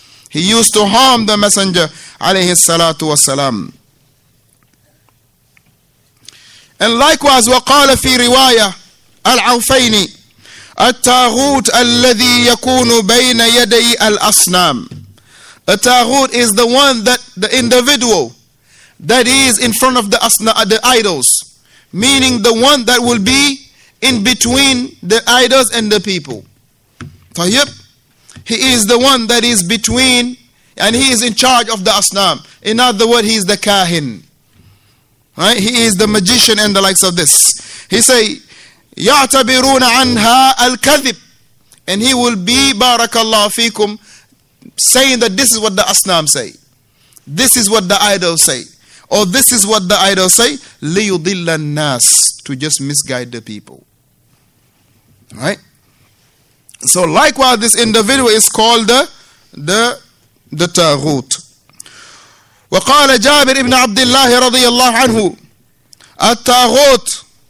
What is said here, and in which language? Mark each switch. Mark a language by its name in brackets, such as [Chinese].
[English] He used to harm the messenger, alayhi salatu wasalam. And likewise, [Arabic] وقال في رواية العوفيني التاغوت الذي يكون بين يدي الأصنام. [English] A taghut is the one that, the individual that is in front of the idols. Meaning the one that will be in between the idols and the people. [Arabic] طيب. [English] He is the one that is between, and he is in charge of the asnam. In other words, he is the kahin. Right? He is the magician and the likes of this. He say, [Arabic] يَعْتَبِرُونَ عَنْهَا الْكَذِبِ. [English] And he will be, barakallahu feekum, saying that this is what the asnam say. This is what the idols say. Or this is what the idols say. [Arabic] لِيُضِلَّ النَّاسِ. [English] To just misguide the people. Right? So likewise, this individual is called the taghut. [Arabic] وقال جابر ابن عبد الله رضي الله عنه التاغوت.